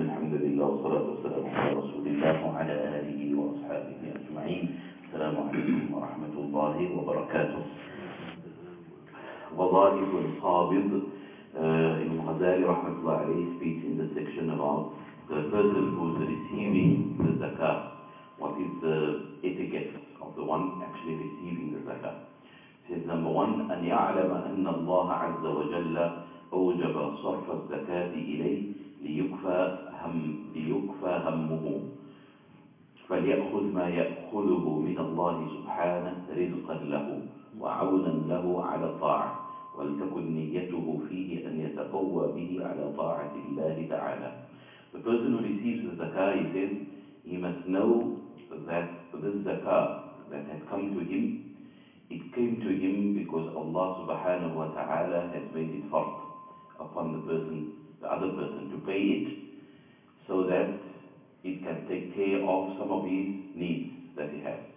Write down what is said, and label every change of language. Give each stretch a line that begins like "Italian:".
Arabic: الحمد لله والصلاة والسلام على رسول الله وعلى آله وأصحابه أجمعين. السلام عليكم ورحمة الله وبركاته. وظائف القابض.
English: Imam Ghazali rahmatullah alayhi speaks in the section about the person who is receiving the zakah. What is the etiquette of the one actually receiving the zakah? He says, number one,
Arabic: أن يعلم أن الله عز وجل أوجب صرف الزكاة إليه ليكفى همه فليأخذ ما يأخذه من الله سبحانه رزقا له وعونا له على الطاعة ولتكن نيته فيه أن يتقوى به على طاعة الله تعالى.
English: The person who receives the zakah, he says, he must know that this zakah that had come to him, it came to him because Allah subhanahu wa ta'ala has made it fard upon the person, the other person, to pay it so that it can take care of some of his needs that he has.